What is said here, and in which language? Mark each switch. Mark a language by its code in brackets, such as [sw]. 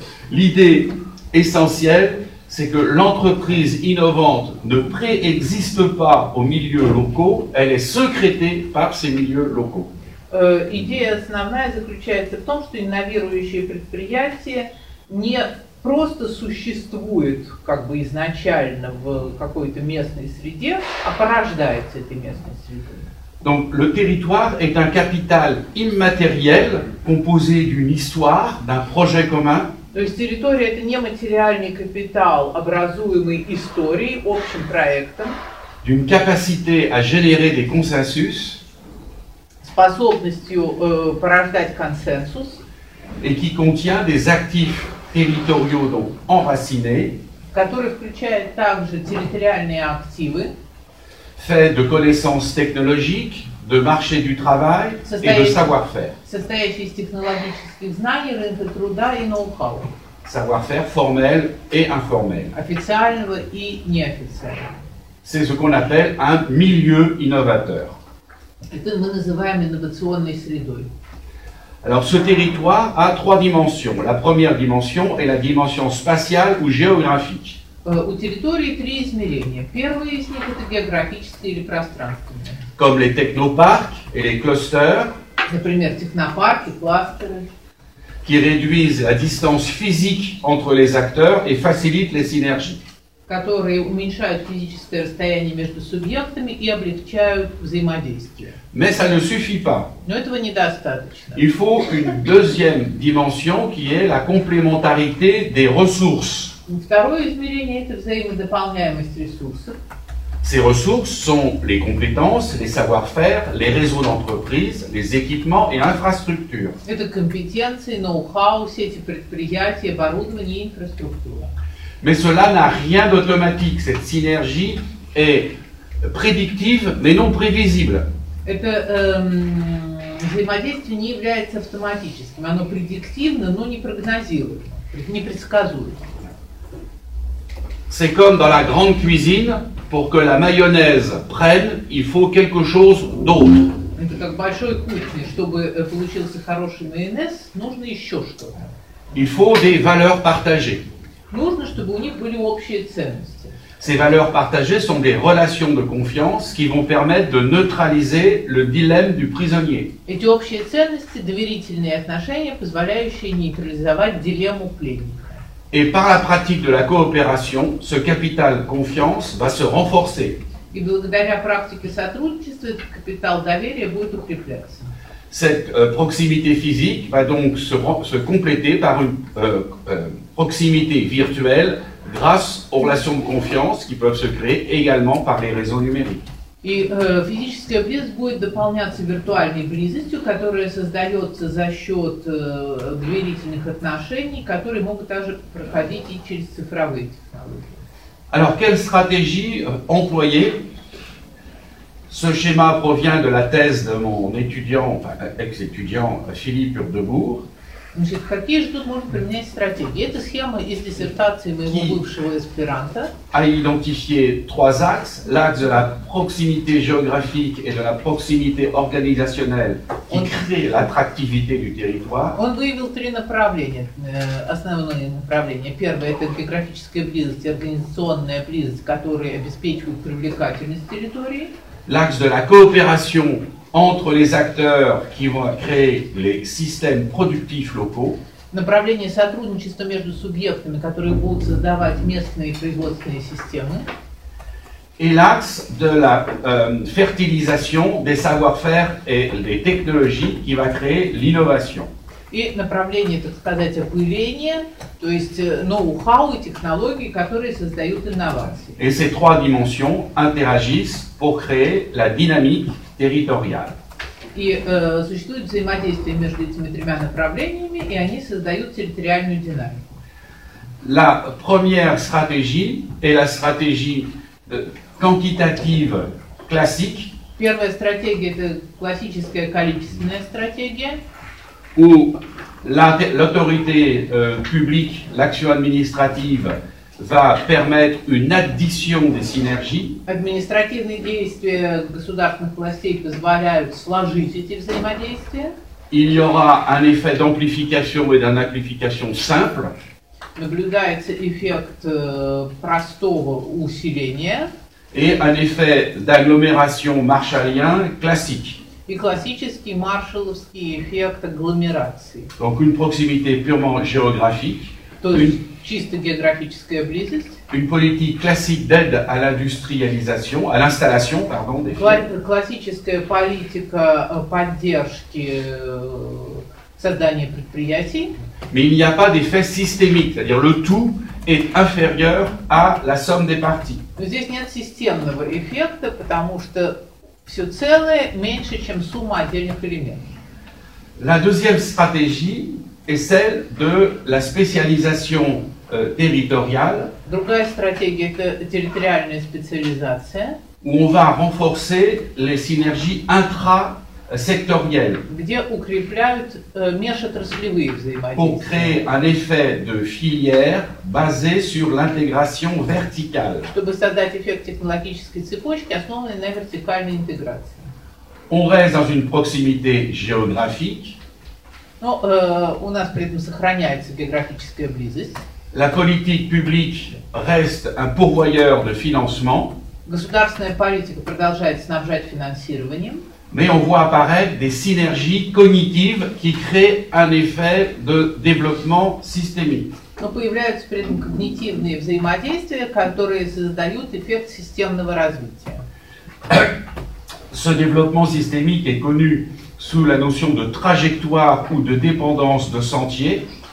[fr] L'idée essentielle, c'est que l'entreprise innovante ne préexiste pas aux milieux locaux, elle est secrétée par ces milieux locaux. L'idée [ru] основная заключается в том, что инновирующее предприятие не просто существует как бы изначально в какой-то местной среде, а порождается этой местной средой. [fr] Donc le territoire est un capital immatériel composé d'une histoire, d'un projet commun. [ru] То есть территория это не материальный капитал, образуемый историей, общим проектом. [fr] D'une capacité à générer des consensus. [ru] Способностью порождать консенсус. [fr] Et qui contient des actifs territoriaux donc enracinés, [ru] который включает также территориальные активы, [fr] fait de connaissances technologiques, de marché du travail et de savoir-faire. [ru] Состоящий из технологических знаний, рынка труда и ноу-хау. [fr] Savoir-faire formel et informel. [ru] Официального и неофициального. [fr] C'est ce qu'on appelle un milieu innovateur. [ru] Это мы называем инновационной средой. [fr] Alors ce territoire a trois dimensions. La première dimension est la dimension spatiale ou géographique. [ru] У территории три измерения. Первое из них это географическое или пространственное. [fr] Comme les technoparks et les clusters. [ru] Например, технопарки, кластеры. [fr] Qui réduisent la distance physique entre les acteurs et facilitent les synergies. [ru] Которые уменьшают физическое расстояние между субъектами и облегчают взаимодействие. [fr] Mais ça ne suffit pas. [ru] Но этого недостаточно. [fr] Il faut une deuxième dimension qui est la complémentarité des ressources. [ru] Второе измерение – это взаимодополняемость ресурсов. [fr] Ces ressources sont les compétences, les savoir-faire, les réseaux d'entreprise, les équipements et infrastructures. [ru] Это компетенции, ноу-хау, сети предприятий, оборудование и инфраструктура. [fr] Mais cela n'a rien d'automatique. Cette synergie est prédictive, mais non prévisible. [ru] Это взаимодействие не является автоматическим. Оно предиктивно, но не прогнозируемо, непредсказуемо. [fr] C'est comme dans la grande cuisine, pour que la mayonnaise prenne, il faut quelque chose d'autre. [ru] Это как в большой кухне, чтобы получился хороший майонез, нужно еще что-то. [fr] Il faut des valeurs partagées. [ru] Нужно, чтобы у них были общие ценности. [fr] Ces valeurs partagées sont des relations de confiance qui vont permettre de neutraliser le dilemme du prisonnier. [ru] Эти общие ценности – доверительные отношения, позволяющие нейтрализовать дилемму пленника. [fr] Et par la pratique de la coopération, ce capital confiance va se renforcer. [ru] И благодаря практике сотрудничества этот капитал доверия будет укрепляться. [fr] Cette proximité physique va donc se compléter par une proximité virtuelle grâce aux relations de confiance qui peuvent se créer également par les réseaux numériques. [ru] И физическая близость будет дополняться виртуальной близостью, которая создается за счет доверительных отношений, которые могут также проходить и через цифровые технологии. [fr] Alors, quelle stratégie employer? Ce schéma provient de la thèse de mon étudiant, enfin ex-étudiant, Philippe Urdebourg. [ru] Значит, какие же тут можно применять стратегии? Это схема из диссертации моего бывшего аспиранта. [fr] A identifié trois axes, l'axe de la proximité géographique et de la proximité organisationnelle qui crée l'attractivité du territoire. [ru] Он выявил три направления, основные направления. Первое – это географическая близость, организационная близость, которая обеспечивает привлекательность территории. [fr] L'axe de la coopération entre les acteurs qui vont créer les systèmes productifs locaux. [ru] Направление сотрудничества между субъектами, которые будут создавать местные производственные системы. [fr] Et l'axe de la fertilisation des savoir-faire et des technologies qui va créer l'innovation. [ru] И направление, так сказать, опыление, то есть ноу-хау и технологии, которые создают инновации. [fr] Et ces trois dimensions interagissent pour créer la dynamique territoriale. [ru] И существует взаимодействие между этими тремя направлениями, и они создают территориальную динамику. [fr] La première stratégie est la stratégie quantitative classique. [ru] Первая стратегия – это классическая количественная стратегия. [fr] Où l'autorité publique, l'action administrative, va permettre une addition des synergies. [ru] Административные действия государственных властей позволяют сложить эти взаимодействия. [fr] Il y aura un effet d'amplification et d'une amplification simple. [ru] Наблюдается эффект простого усиления. [fr] Et un effet d'agglomération marshallien classique. [ru] И классический маршалловский эффект агломерации. [fr] Donc une proximité purement géographique, [ru] то есть чисто географическая близость. [fr] Une politique classique d'aide à l'industrialisation, à l'installation, pardon, des firmes. [ru] Классическая политика поддержки создания предприятий. [fr] Mais il n'y a pas d'effet systémique, c'est-à-dire le tout est inférieur à la somme des parties. [ru] Но здесь нет системного эффекта, потому что все целое меньше, чем сумма отдельных элементов. [fr] La deuxième stratégie est celle de la spécialisation territoriale. [ru] Другая стратегия – это территориальная специализация. [fr] Où on va renforcer les synergies intra-sectorielles. [ru] Где укрепляют межотраслевые взаимодействия. [fr] Pour créer un effet de filière basé sur l'intégration verticale. [ru] Чтобы создать эффект технологической цепочки, основанной на вертикальной интеграции. [fr] On reste dans une proximité géographique. [ru] Но у нас при этом сохраняется географическая близость. [fr] La politique publique reste un pourvoyeur de financement. [ru] Государственная политика продолжает снабжать финансированием. [fr] Mais on voit apparaître des synergies cognitives qui créent un effet de développement systémique. [ru] Но появляются при этом когнитивные взаимодействия, которые создают эффект системного развития. [fr] Ce développement systémique est connu sous la notion de trajectoire ou de dépendance de sentier.